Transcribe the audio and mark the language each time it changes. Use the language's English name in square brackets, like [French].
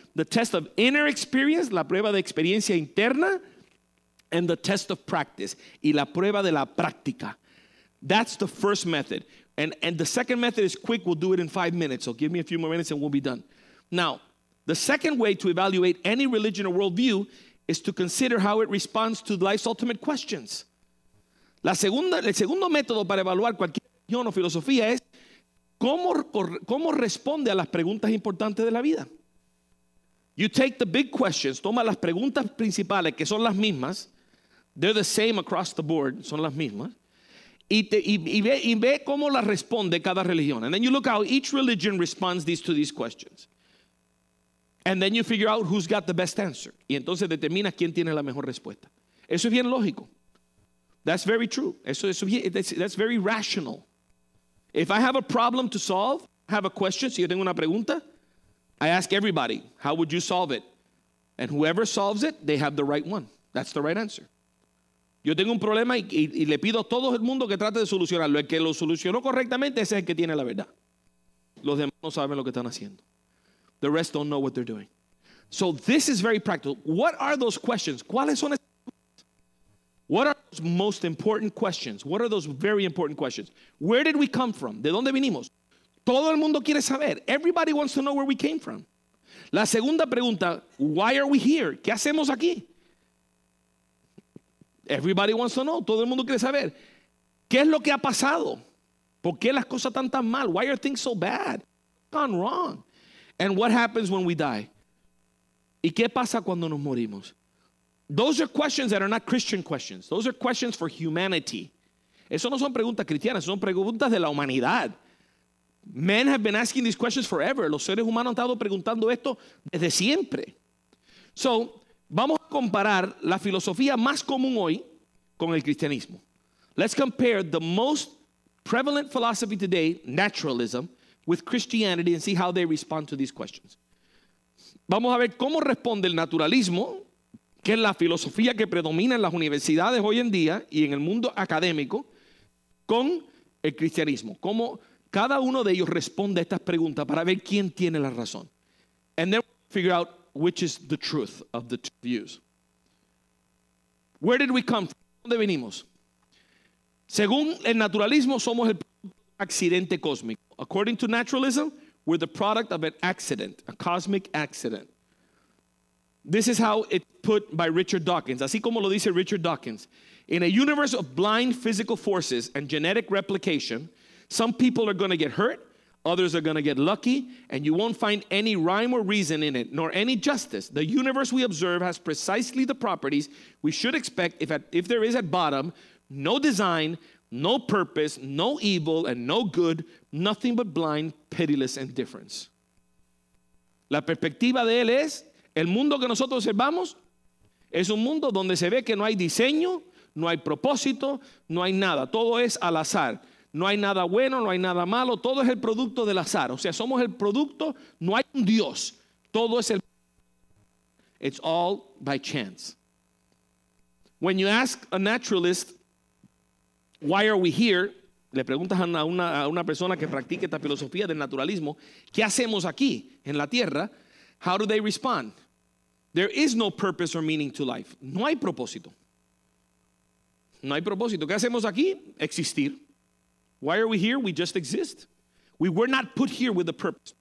[English] The test of inner experience, [Spanish] la prueba de experiencia interna. [English] And the test of practice, [Spanish] y la prueba de la práctica. [English] That's the first method. And the second method is quick. We'll do it in 5 minutes. So give me a few more minutes and we'll be done. Now, the second way to evaluate any religion or worldview is to consider how it responds to life's ultimate questions. [Spanish] El segundo método para evaluar cualquier religión o filosofía es cómo responde a las preguntas importantes de la vida. [English] You take the big questions, [Spanish] toma las preguntas principales que son las mismas, [English] they're the same across the board, [Spanish] son las mismas, y ve cómo las responde cada religión. [English] And then you look how each religion responds to these questions. And then you figure out who's got the best answer. [Spanish] Y entonces determina quién tiene la mejor respuesta. Eso es bien lógico. [English] That's very true. That's very rational. If I have a problem to solve, have a question, [Spanish] si yo tengo una pregunta, [English] I ask everybody, how would you solve it? And whoever solves it, they have the right one. That's the right answer. [Spanish] Yo tengo un problema y le pido a todo el mundo que trate de solucionarlo. El que lo solucionó correctamente, ese es el que tiene la verdad. Los demás no saben lo que están haciendo. [English] The rest don't know what they're doing. So this is very practical. What are those questions? [Spanish] ¿Cuáles son esas preguntas? [English] What are those most important questions? What are those very important questions? Where did we come from? [Spanish] ¿De dónde vinimos? Todo el mundo quiere saber. [English] Everybody wants to know where we came from. [Spanish] La segunda pregunta, [English] why are we here? [Spanish] ¿Qué hacemos aquí? [English] Everybody wants to know. [Spanish] Todo el mundo quiere saber. ¿Qué es lo que ha pasado? ¿Por qué las cosas están tan mal? [English] Why are things so bad? What's gone wrong? And what happens when we die? [Spanish] ¿Y qué pasa cuando nos morimos? [English] Those are questions that are not Christian questions. Those are questions for humanity. [Spanish] Eso no son preguntas cristianas, son preguntas de la humanidad. [English] Men have been asking these questions forever. [Spanish] Los seres humanos han estado preguntando esto desde siempre. [English] So, [Spanish] vamos a comparar la filosofía más común hoy con el cristianismo. [English] Let's compare the most prevalent philosophy today, naturalism, with Christianity and see how they respond to these questions. [Spanish] Vamos a ver cómo responde el naturalismo, que es la filosofía que predomina en las universidades hoy en día y en el mundo académico, con el cristianismo. Cómo cada uno de ellos responde a estas preguntas para ver quién tiene la razón. [English] And then figure out which is the truth of the two views. Where did we come from? [Spanish] ¿Dónde venimos? Según el naturalismo, somos el accidente cósmico. [English] According to naturalism, we're the product of an accident, a cosmic accident. This is how it's put by Richard Dawkins. [Spanish] Así como lo dice Richard Dawkins. [English] In a universe of blind physical forces and genetic replication, some people are going to get hurt, others are going to get lucky, and you won't find any rhyme or reason in it, nor any justice. The universe we observe has precisely the properties we should expect if there is at bottom no design, no purpose, no evil, and no good, nothing but blind, pitiless indifference. [Spanish] La perspectiva de él es, el mundo que nosotros observamos es un mundo donde se ve que no hay diseño, no hay propósito, no hay nada. Todo es al azar. No hay nada bueno, no hay nada malo. Todo es el producto del azar. O sea, somos el producto, no hay un Dios. Todo es el... [English] It's all by chance. When you ask a naturalist, why are we here? [Spanish] Le preguntas a una persona que practique esta filosofía del naturalismo, ¿qué hacemos aquí en la tierra? [English] How do they respond? There is no purpose or meaning to life. [Spanish] No hay propósito. No hay propósito. ¿Qué hacemos aquí? Existir. [English] Why are we here? We just exist. We were not put here with a purpose.